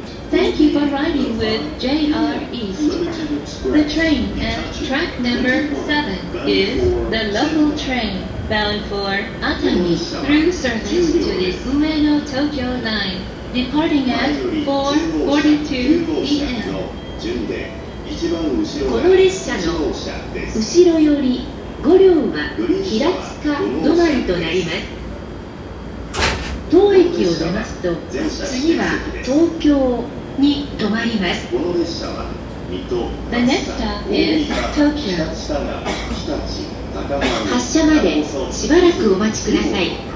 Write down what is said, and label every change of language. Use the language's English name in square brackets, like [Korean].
[English] Thank you for riding with JR East. The train at track number 7 is the local train bound for Atami through service to the Ueno Tokyo Line, departing at 4:42 p.m. [Japanese] この列車の後ろより5両は平塚止まりとなります。当駅を出ますと次は東京に止まります。この列車は水戸、 [English] The next stop is Tokyo. [Japanese] 発車までしばらくお待ちください。